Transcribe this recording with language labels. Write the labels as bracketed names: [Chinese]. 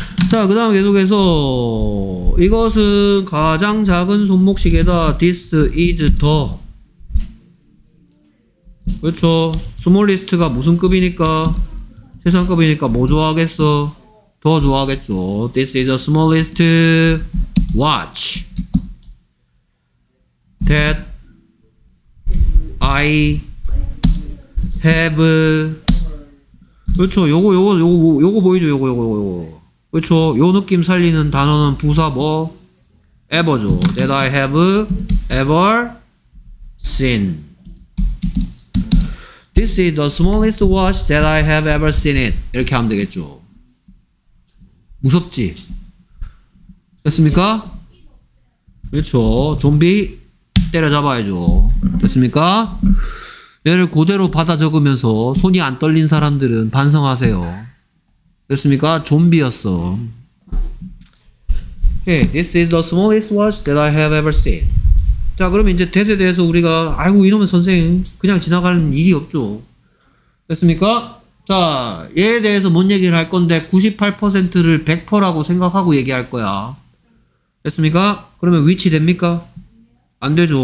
[Korean] 자, 그 다음 계속해서 이것은 가장 작은 손목시계다. [English] This is the [Korean] 그렇죠. 스몰리스트가 무슨 급이니까 최상급이니까 뭐 좋아하겠어? 더 좋아하겠죠. [English] This is the smallest watch that I have. [Korean] 그렇죠. 요거 보이죠. 요거 그쵸. 요 느낌 살리는 단어는 부사 뭐 ever죠. [English] That I have ever sin. This is the smallest watch that I have ever seen it. [Korean] 이렇게 하면 되겠죠. 무섭지? 됐습니까? 그렇죠. 좀비 때려잡아야죠. 됐습니까? 얘를 그대로 받아 적으면서 손이 안 떨린 사람들은 반성하세요. 됐습니까? 좀비였어. [English] Hey, this is the smallest watch that I have ever seen. [Korean] 자, 그러면 이제 that에 대해서 우리가 아이고 이놈의 선생 그냥 지나가는 일이 없죠. 됐습니까? 자, 얘에 대해서 뭔 얘기를 할 건데 98%를 100%라고 생각하고 얘기할 거야. 됐습니까? 그러면 which 됩니까? 안 되죠.